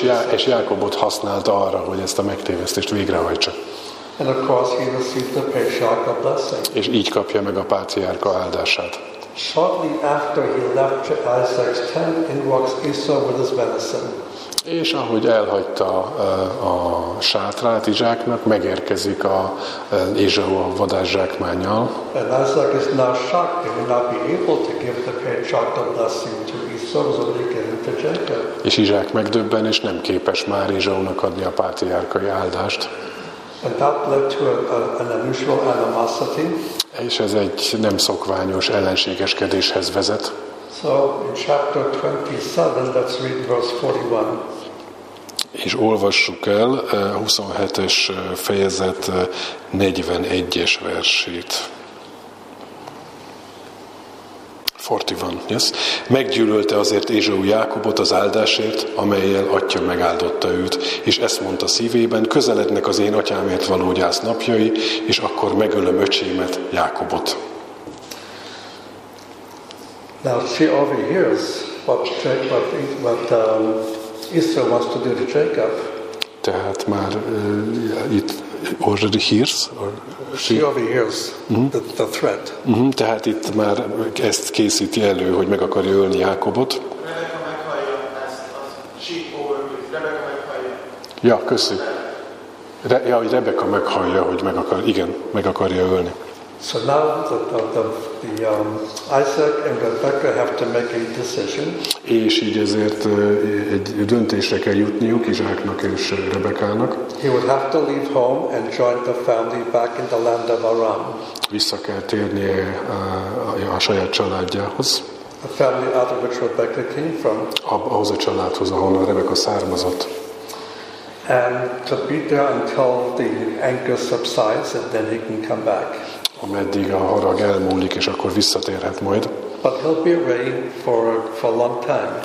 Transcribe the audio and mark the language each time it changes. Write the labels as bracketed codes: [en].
[hu] És Jákobot használta arra, hogy ezt a megtévesztést végrehajtsa. [en] And of course he received the patriarch a blessing. [hu] És így kapja meg a pátriárka áldását. [en] Shortly after he left Isaac's tent, in walks Esau with his venison. [hu] És ahogy elhagyta a sátrát Izsáknak, megérkezik a Ézsau a vadászsákmánnyal. [en] And Isaac is now shocked that he will not be able to give the patriarch the blessing to Esau, so he can give it to Jacob. [hu] És Izsák megdöbben, és nem képes már Ézsaunak adni a pátriárkai áldást. [en] And that led to an unusual animosity. [hu] És ez egy nem szokványos ellenségeskedéshez vezet. [en] So in chapter 27, let's read verse 41. [hu] És olvassuk el 27-es fejezet 41-es versét. [en] 41, yes. [hu] Meggyűlölte azért Ézsau Jákobot az áldásért, amellyel atya megáldotta őt, és ezt mondta szívében, közelednek az én atyámért való gyász napjai, és akkor megölöm öcsémet, Jákobot. [en] Now she overhears what Esau wants to do to Jacob. [hu] Tehát már itt [en] already hears. Or she overhears the threat. Mm-hmm. [hu] Tehát itt már ezt készíti elő, hogy meg akarja ölni Jákobot. Rebeka meghallja ezt. [en] She overhears. [hu] Rebeka meghallja. Ja, köszi. Hogy Rebeka meghallja, hogy meg akar. Igen, meg akarja ölni. [en] So now the Isaac and Rebecca have to make a decision. [hu] És így ezért egy döntésre kell jutniuk Izsáknak és Rebekának. [en] He would have to leave home and join the family back in the land of Aram. [hu] Vissza kell térnie a saját családjához. [en] A family out of which Rebecca came from. [hu] Ahhoz a családhoz, ahonnan Rebecca származott. [en] And to be there until the anger subsides, and then he can come back. [hu] Ameddig a harag elmúlik, és akkor visszatérhet majd. [en] But he'll be away for a long time.